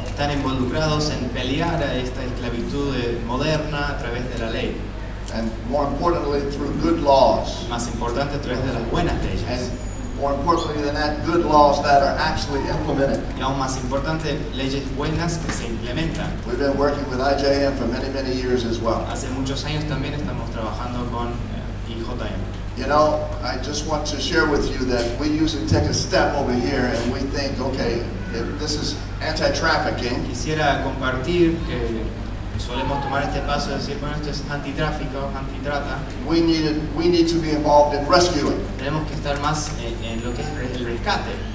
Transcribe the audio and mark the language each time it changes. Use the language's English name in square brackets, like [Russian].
[Spanish] Están involucrados en pelear a esta esclavitud moderna a través de la ley. [English] And more importantly, through good laws. [Spanish] Más importante, a través de las buenas leyes. [English] And more importantly than that, good laws that are actually implemented. [Spanish] Y aún más importante, leyes buenas que se implementan. [English] We've been working with IJM for many, many years as well. [Spanish] Hace muchos años también estamos trabajando con IJM. [English] You know, I just want to share with you that we usually take a step over here and we think, okay, if this is anti-trafficking. [Spanish] Quisiera compartir que solemos tomar este paso de decir, bueno, esto es antitráfico, antitrata. [English] We need to be involved in rescuing. [Spanish] Tenemos que estar más en lo que es el rescate.